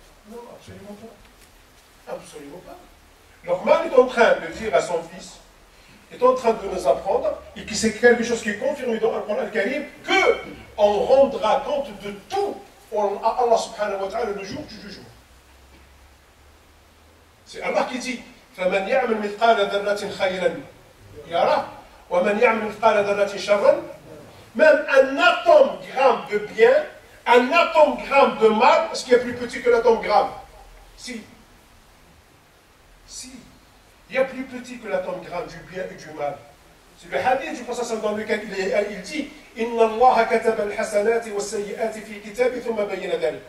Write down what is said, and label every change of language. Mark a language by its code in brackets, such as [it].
[fr] Non, absolument pas. Absolument pas. Luqman est en train de dire à son fils, est en train de nous apprendre, et que c'est quelque chose qui est confirmé dans le Coran al-Karim, qu'on rendra compte de tout à Allah subhanahu wa ta'ala le jour du jugement. C'est Allah qui dit, [ar] فمن يعمل مثقال ذرة خيرا يراه ومن يعمل مثقال ذرة شرا. [fr] Même un atome gramme de bien, un atome gramme de mal, ce qui est plus petit que l'atome gramme. Si. Si. Il y a plus petit que l'atome gramme du bien et du mal. C'est le hadith du Prophète dans lequel il dit Inna Allah kataba al-hasanati wa sayyi'ati fi kitabi thumma bayyana dhalik.